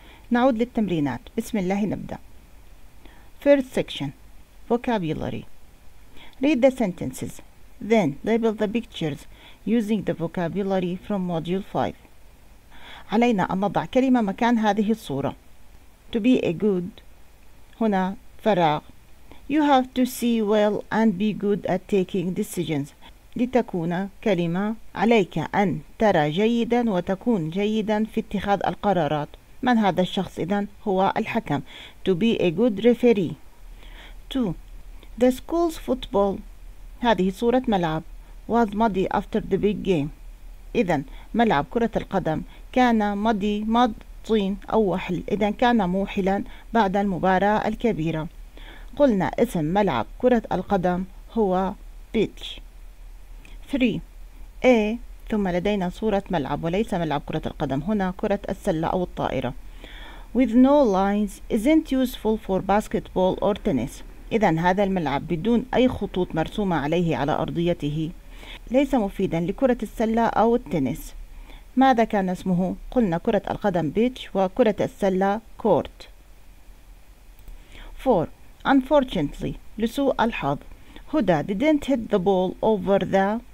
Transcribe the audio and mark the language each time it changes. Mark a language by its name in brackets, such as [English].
[Arabic] نعود للتمرينات. بسم الله نبدأ. [English] First section vocabulary. Read the sentences. Then label the pictures using the vocabulary from module 5. [Arabic] علينا أن نضع كلمة مكان هذه الصورة. [English] To be a good. [Arabic] هنا فراغ. [English] You have to see well and be good at taking decisions. [Arabic] لتكون كلمة عليك أن ترى جيدا وتكون جيدا في اتخاذ القرارات. من هذا الشخص إذن؟ هو الحكم. [English] To be a good referee. 2. The school's football. [Arabic] هذه صورة ملعب. [English] Was muddy after the big game. [Arabic] إذن ملعب كرة القدم كان muddy mud طين أو وحل. إذن كان موحلا بعد المباراة الكبيرة. قلنا اسم ملعب كرة القدم هو pitch. [English] 3. A. [Arabic] ثم لدينا صورة ملعب وليس ملعب كرة القدم. هنا كرة السلة أو الطائرة. [English] With no lines isn't useful for basketball or tennis. [Arabic] إذن هذا الملعب بدون أي خطوط مرسومة عليه على أرضيته ليس مفيدا لكرة السلة أو التنس. ماذا كان اسمه؟ قلنا كرة القدم بيتش وكرة السلة كورت. [English] 4. Unfortunately [Arabic] لسوء الحظ. [English] هدى didn't hit the ball over the.